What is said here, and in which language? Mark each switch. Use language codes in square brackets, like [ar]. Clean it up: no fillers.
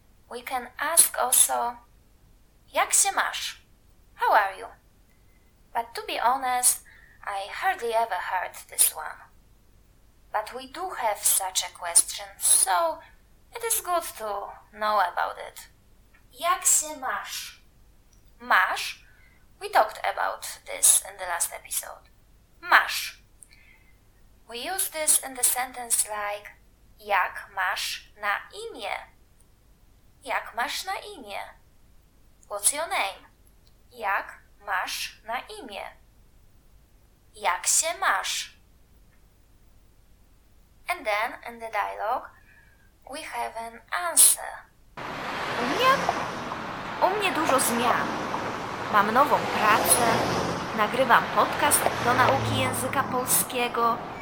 [en] We can ask also, [pl] jak się masz? [en] How are you? But to be honest, I hardly ever heard this one. But we do have such a question, so it is good to know about it. [pl] Jak się masz? Masz? [en] We talked about this in the last episode. [pl] Masz. [en] We use this in the sentence like [pl] jak masz na imię? Jak masz na imię? [en] What's your name? [pl] Jak masz na imię? Jak się masz? [en] And then in the dialogue we have an answer. [pl] U mnie dużo zmian. Mam nową pracę, nagrywam podcast do nauki języka polskiego.